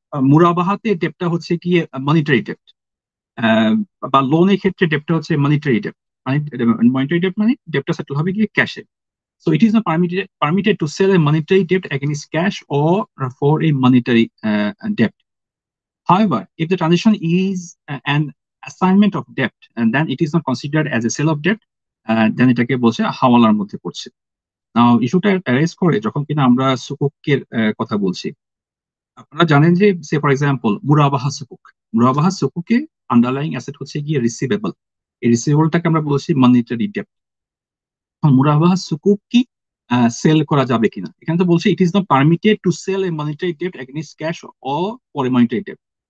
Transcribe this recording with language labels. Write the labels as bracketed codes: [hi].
[bn] মুরাবাহাতে ডেপটা হচ্ছে কি monetary dep, বা লোনের ক্ষেত্রে ডেপটা হচ্ছে মনিটারি ডেপ, মানে মনিটারি ডেপ মানে ডেপটা সেটেল হবে গিয়ে ক্যাশে। [en] So it is not permitted to sell a monetary debt against cash or for a monetary debt. However, if the transaction is an assignment of debt and then it is not considered as a sale of debt then [bn] এটাকে বলছে হাওয়ালার মধ্যে পড়ছে। নাও ইস্যুটা raise করে যখন কিনা আমরা সুকুকের কথা বলছি, আপনারা জানেন যে সে ফর এক্সাম্পল মুরাবাহা সুকুক, মুরাবাহা সুকুকে আন্ডারলাইং অ্যাসেট হচ্ছে গিয়ে রিসিভেবল, এই রিসিভেবলটাকে আমরা বলছি মানিটারি ডেপ্ট। এখন মুরাবাহা সুকুক কি সেল করা যাবে কিনা, এখানে তো বলছে [en] it is not permitted to sell A monetary ডেপ্ট [bn] against cash O for a monetary ডেপ্ট।